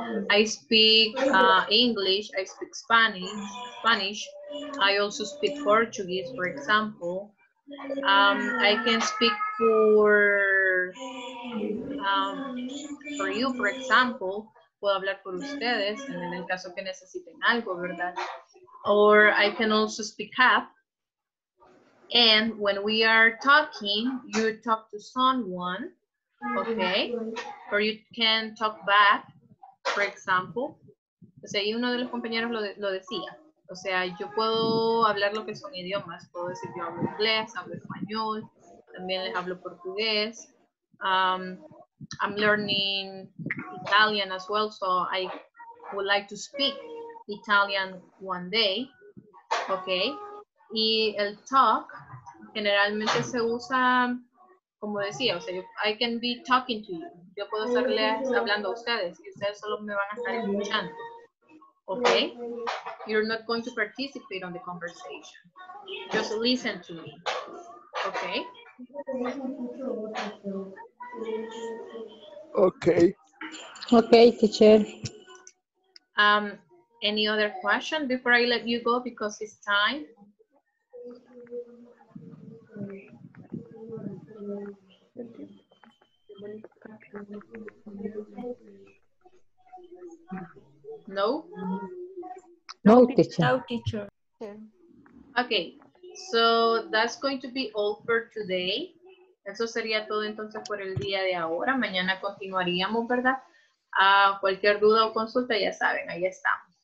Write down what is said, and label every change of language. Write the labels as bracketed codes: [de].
[en] I speak English, I speak Spanish, I also speak Portuguese, for example. I can speak for you, for example. [es] Puedo hablar por ustedes, en el caso que necesiten algo, ¿verdad? [en] Or I can also speak up. And when we are talking, you talk to someone, okay? Or you can talk back, for example. [es] O sea, y uno de los compañeros lo decía. O sea, yo puedo hablar lo que son idiomas. Puedo decir yo hablo inglés, hablo español, también les hablo portugués. [en] I'm learning Italian as well, so I would like to speak Italian one day, okay? [es] Y el talk generalmente se usa, como decía, o sea, [en] I can be talking to you. [es] Yo puedo estarles hablando a ustedes y ustedes solo me van a estar escuchando. [en] Okay? You're not going to participate on the conversation. Just listen to me. Okay? Okay. Okay, teacher. Any other question before I let you go because it's time? No? No, teacher. No, teacher. Okay, so that's going to be all for today. [es] Eso sería todo entonces por el día de ahora. Mañana continuaríamos, ¿verdad? Cualquier duda o consulta, ya saben, ahí estamos.